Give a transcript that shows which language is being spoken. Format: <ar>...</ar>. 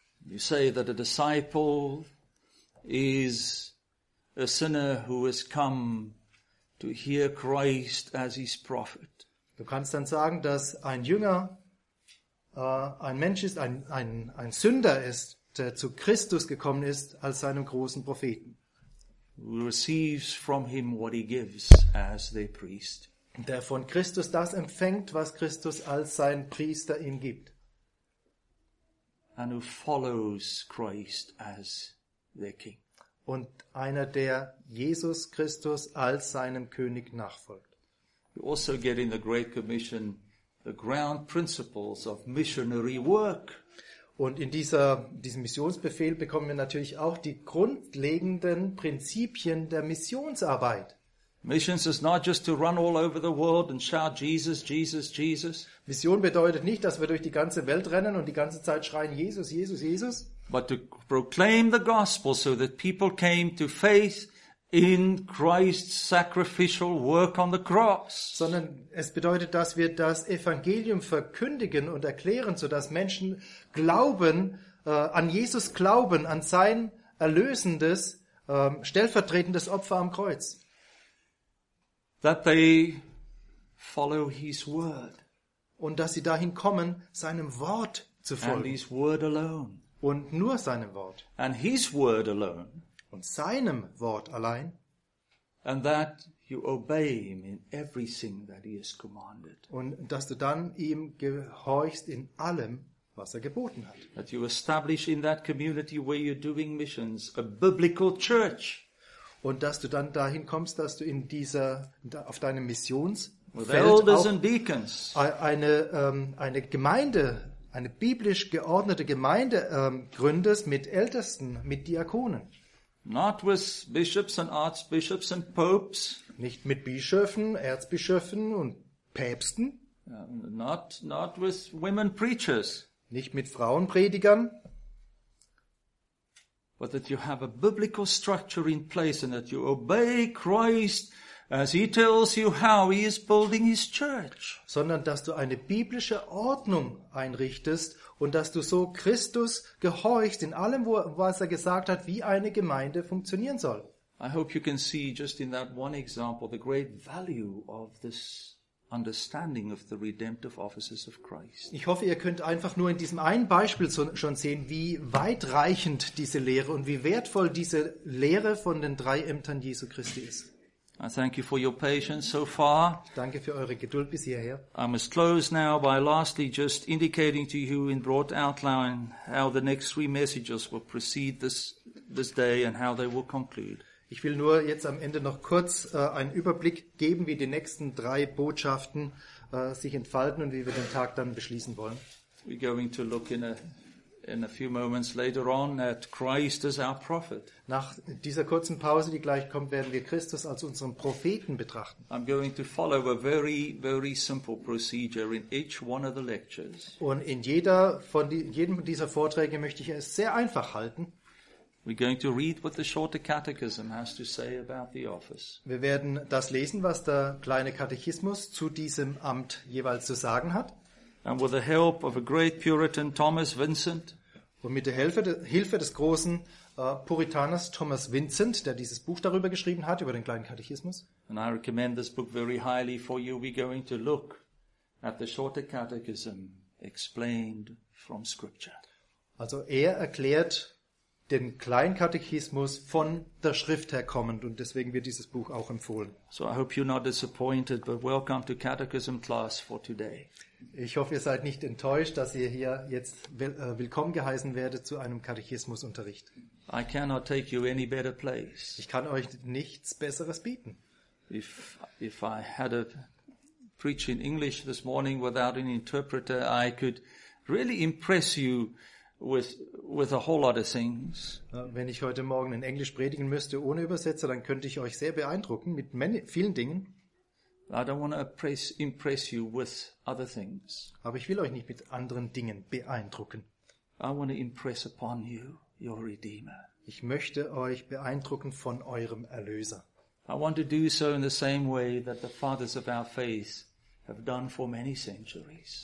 <en>You say that a disciple is a sinner who has come to hear Christ as his prophet.</en> <de>Du kannst dann sagen, dass ein Jünger ein Mensch ist, ein Sünder ist, der zu Christus gekommen ist als seinem großen Propheten.</de> <en>Who receives from him what he gives as the priest.</en> <de>Der von Christus das empfängt, was Christus als sein Priester ihm gibt.</de> <en>And who follows Christ as their king.</en> <de>Und einer, der Jesus Christus als seinem König nachfolgt.</de> <en>You also get in the Great Commission the ground principles of missionary work.</en> <de>Und in diesem Missionsbefehl bekommen wir natürlich auch die grundlegenden Prinzipien der Missionsarbeit.</de> <en>Missions is not just to run all over the world and shout Jesus, Jesus, Jesus.</en> <de>Mission bedeutet nicht, dass wir durch die ganze Welt rennen und die ganze Zeit schreien Jesus, Jesus, Jesus.</de> <en>But to proclaim the gospel so that people came to faith in Christ's sacrificial work on the cross.</en> <de>Sondern es bedeutet, dass wir das Evangelium verkündigen und erklären, so dass Menschen glauben, an Jesus glauben, an sein erlösendes, stellvertretendes Opfer am Kreuz.</de> <en>That they follow his word.</en> <de>Und dass sie dahin kommen, seinem Wort zu folgen.</de> <en>And his word alone.</en> <de>Und nur seinem Wort.</de> <en>And his word alone.</en> <de>Und seinem Wort allein.</de> <en>And that you obey him in everything that he has commanded.</en> <de>Und dass du dann ihm gehorchst in allem, was er geboten hat.</de> <en>That you establish in that community where you're doing missions a biblical church.</en> <de>Und dass du dann dahin kommst, dass du auf deinem Missionsfeld</de> <en>with elders and deacons</en> <de>eine Gemeinde, eine biblisch geordnete Gemeinde gründest mit Ältesten, mit Diakonen.</de> <en>Not with bishops and archbishops and popes.</en> <de>Nicht mit Bischöfen, Erzbischöfen und Päpsten.</de> <en>Not with women preachers.</en> <de>Nicht mit Frauenpredigern.</de> <en>But that you have a biblical structure in place and that you obey Christ as he tells you how he is building his church.</en> <de>Sondern dass du eine biblische Ordnung einrichtest und dass du so Christus gehorchst in allem, was er gesagt hat, wie eine Gemeinde funktionieren soll.</de> <en>I hope you can see just in that one example the great value of this understanding of the redemptive offices of Christ.</en> <de>Ich hoffe, ihr könnt einfach nur in diesem einen Beispiel schon sehen, wie weitreichend diese Lehre und wie wertvoll diese Lehre von den drei Ämtern Jesu Christi ist.</de> <en>I thank you for your patience so far.</en> <de>Danke für eure Geduld bis hierher.</de> <en>I must close now by lastly just indicating to you in broad outline how the next three messages will proceed this day and how they will conclude.</en> <de>Ich will nur jetzt am Ende noch kurz einen Überblick geben, wie die nächsten drei Botschaften sich entfalten und wie wir den Tag dann beschließen wollen.</de> <en>We're going to look in a few moments later on at Christ as our prophet.</en> <de>Nach dieser kurzen Pause, die gleich kommt, werden wir Christus als unseren Propheten betrachten.</de> <en>I'm going to follow a very, very simple procedure in each one of the lectures.</en> <de>Und in jedem dieser Vorträge möchte ich es sehr einfach halten.</de> <en>We're going to read what the shorter catechism has to say about the office.</en> <de>Wir werden das lesen, was der kleine Katechismus zu diesem Amt jeweils zu sagen hat.</de> <en>And with the help of a great Puritan, Thomas Vincent.</en> <de>Und mit der Hilfe des großen Puritaners Thomas Vincent, der dieses Buch darüber geschrieben hat, über den kleinen Katechismus.</de> <en>And I recommend this book very highly for you. We're going to look at the shorter catechism explained from Scripture.</en> <de>Also er erklärt den kleinen Katechismus von der Schrift her kommend und deswegen wird dieses Buch auch empfohlen.</de> <en>So I hope you're not disappointed, but welcome to catechism class for today.</en> <de>Ich hoffe, ihr seid nicht enttäuscht, dass ihr hier jetzt willkommen geheißen werdet zu einem Katechismusunterricht.</de> <en>I cannot take you any better place.</en> <de>Ich kann euch nichts Besseres bieten.</de> <en>If I had a preach in English this morning without an interpreter, I could really impress you with a whole lot of things.</en> <de>Wenn ich heute Morgen in Englisch predigen müsste ohne Übersetzer, dann könnte ich euch sehr beeindrucken mit vielen Dingen.</de> <en>I don't want to impress you with other things.</en> <de>Aber ich will euch nicht mit anderen Dingen beeindrucken.</de> <en>I want to impress upon you your Redeemer.</en> <de>Ich möchte euch beeindrucken von eurem Erlöser.</de> <en>I want to do so in the same way that the fathers of our faith have done for many centuries.</en>